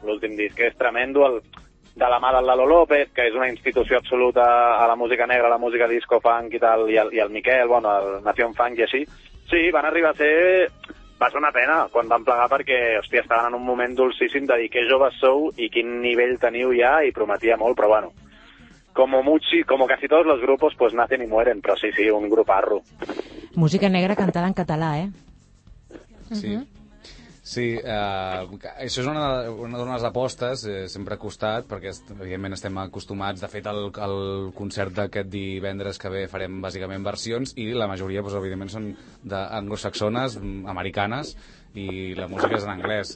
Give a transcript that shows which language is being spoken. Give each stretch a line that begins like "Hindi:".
Catalan: L'últim disc és tremendo, el de la mà del Lalo López, que és una institució absoluta a la música negra, a la música disco, funk i tal, i el Miquel, bueno, el Nación Funk i així. Sí, van arribar a ser... Va ser una pena quan van plegar perquè, hòstia, estaven en un moment dolcíssim de dir que joves sou i quin nivell teniu ja, i prometia molt, però bueno...
Spanish: Como mucho, como casi todos los grupos, pues nacen y mueren, pero sí, sí, un gruparro.
Catalan: Música negra cantada en català, eh? Sí. Sí, això és una de les apostes, sempre ha costat, perquè evidentment estem acostumats. De fet, el concert d'aquest divendres que ve farem bàsicament versions, i la majoria, pues, evidentment, són d'anglosaxones, americanes, i la música és en anglès.